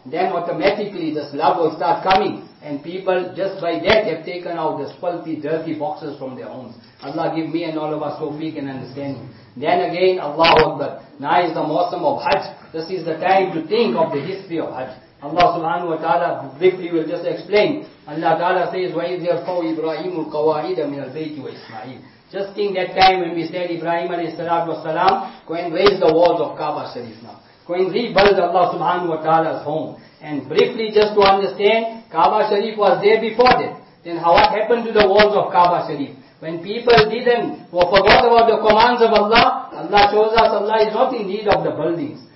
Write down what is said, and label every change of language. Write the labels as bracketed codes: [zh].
[en] Then automatically this love will start coming. And people, just by that, have taken out the filthy, dirty boxes from their homes. Allah give me and all of us so we can understand. Then again, Allahu Akbar. Now is the mausam of Hajj. This is the time to think of the history of Hajj. Allah subhanahu wa ta'ala briefly will just explain. Allah ta'ala says, [ar] وَإِذْ يَرْفَوْ إِبْرَاهِيمُ الْقَوَاعِدَ مِنَ الْبَيْتِ وَإِسْمَعِيلِ. [en] Just think that time when we said Ibrahim alayhi salatu wasalam, go and raise the walls of Kaaba Sharif now. Go and rebuild Allah subhanahu wa ta'ala's home. And briefly, just to understand, Kaaba Sharif was there before that. Then how, what happened to the walls of Kaaba Sharif? When people didn't, or forgot about the commands of Allah, Allah shows us Allah is not in need of the buildings.